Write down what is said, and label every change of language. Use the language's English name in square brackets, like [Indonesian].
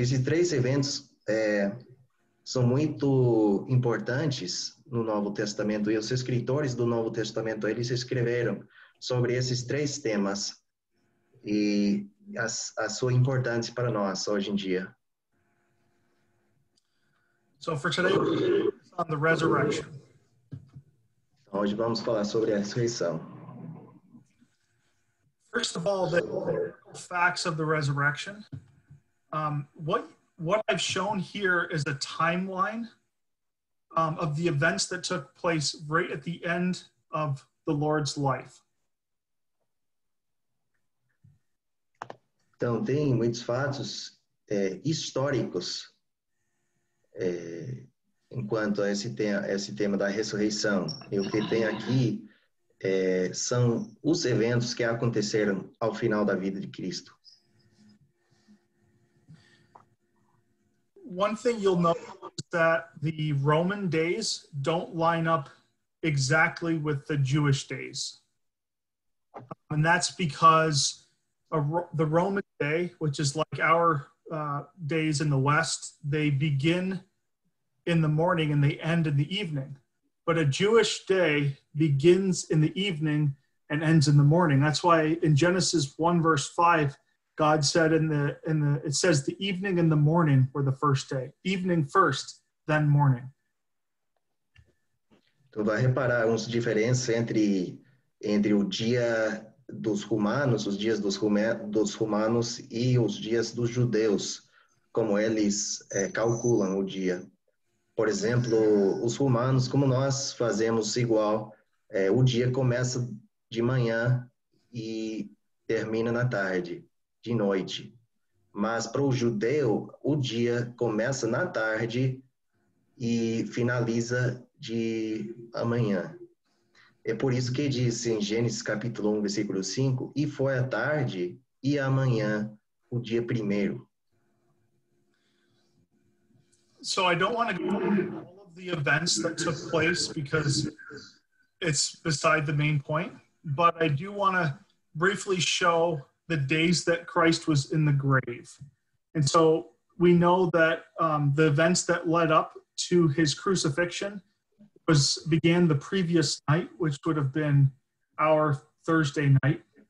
[Portuguese] Esses três eventos são muito importantes no Novo Testamento, e os escritores do Novo Testamento, eles escreveram sobre esses três temas e a sua importância para nós hoje em dia. [English] So for today, we're focused on the resurrection. [Portuguese] Hoje vamos falar sobre a ressurreição. [English] First of all, the facts of the resurrection. What I've shown here is a timeline of the events that took place right at the end of the Lord's life. [Portuguese] Então, tem muitos fatos históricos enquanto a esse tema da ressurreição. E o que tem aqui são os eventos que aconteceram ao final da vida de Cristo. [English] One thing you'll notice is that the Roman days don't line up exactly with the Jewish days. And that's because the Roman day, which is like our days in the West, they begin in the morning and they end in the evening. But a Jewish day begins in the evening and ends in the morning. That's why in Genesis 1 verse 5, God said it says the evening and the morning were the first day. Evening first, then morning. [Portuguese] Tu vai reparar uns diferenças entre o dia dos romanos, os dias dos romanos e os dias dos judeus, como eles calculam o dia. Por exemplo, os romanos, como nós fazemos igual, o dia começa de manhã e termina na tarde, de noite. Mas para o judeu, o dia começa na tarde e finaliza de amanhã. É por isso que diz em Gênesis capítulo 1, versículo 5, e foi a tarde e amanhã o dia primeiro. [English] So I don't want to go over all of the events that took place because it's beside the main point, but I do want to briefly show the days that Christ was in the grave. And so we know that the events that led up to his crucifixion began the previous night, which would have been our Thursday night.